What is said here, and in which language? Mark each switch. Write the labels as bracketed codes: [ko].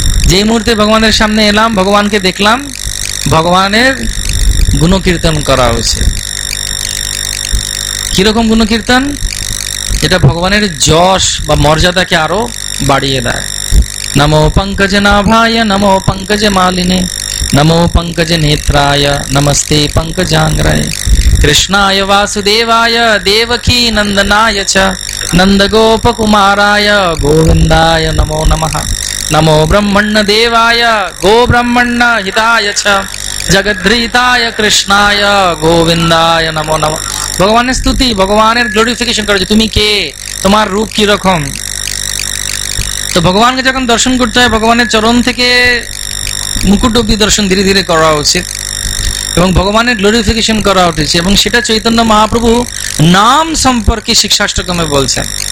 [bn] যে মুহূর্তে ভগবানের সামনে এলাম, ভগবানকে দেখলাম, ভগবানের গুণকীর্তন করা উচিত। কীরকম গুণকীর্তন? এটা ভগবানের যশ বা মর্যাদাকে আরও বাড়িয়ে দেয়। [sa] নমো পঙ্কজ নাভায়, নমো পঙ্কজ মালিনী, নমো পঙ্কজ নেত্রায়, নমস্তে পঙ্কজাঙ্গ্রায়, కృష్ణాయ వాసుదేవాయ దేవకీ నందనాయ చ నందగోప కుమారాయ గోవిందాయ నమో నమః. నమో బ్రహ్మణ దేవాయ గో బ్రహ్మణ హితాయ చ జగద్రీతాయ కృష్ణాయ గోవిందాయ నమో నమః. [bn] భగవానే స్తుతి, భగవానের గ্লোরিফিকেশন করছে, তুমি কে, তোমার রূপ কি রকম। তো ভগবানকে যখন দর্শন করতে হয়, ভগবানের চরণ থেকে মুকুট অব্দি দর্শন ধীরে ধীরে করা উচিত এবং ভগবানের গ্লোরিফিকেশন করা উঠেছে, এবং সেটা চৈতন্য মহাপ্রভু নাম সম্পর্কে শিক্ষাষ্টকমে বলছেন।